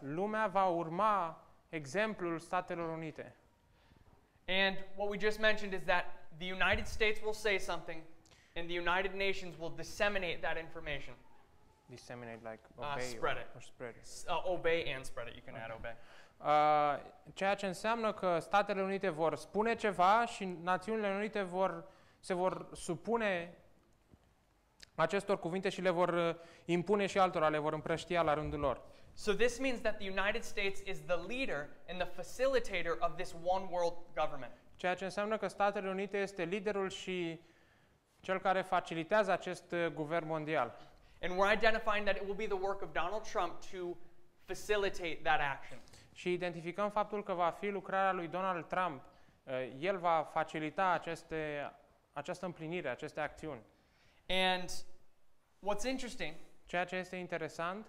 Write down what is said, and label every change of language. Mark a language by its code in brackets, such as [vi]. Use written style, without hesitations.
[ro] Lumea va urma exemplul Statelor Unite. [en] And what we just mentioned is that the United States will say something and the United Nations will disseminate that information. Disseminate, like obey spread or spread it. Obey and spread it, you can okay. Add obey. [ro] Ceea ce înseamnă că Statele Unite vor spune ceva și Națiunile Unite vor se vor supune acestor cuvinte și le vor impune și altora, le vor împrăștia la rândul lor. [en] So this means that the United States is the leader and the facilitator of this one world government. [ro] Ceea ce înseamnă că Statele Unite este liderul și cel care facilitează acest guvern mondial. [en] And we're identifying that it will be the work of Donald Trump to facilitate that action. [ro] Și identificăm faptul că va fi lucrarea lui Donald Trump. El va facilita această împlinire, aceste acțiuni. [en] And what's interesting, [ro] ceea ce este interesant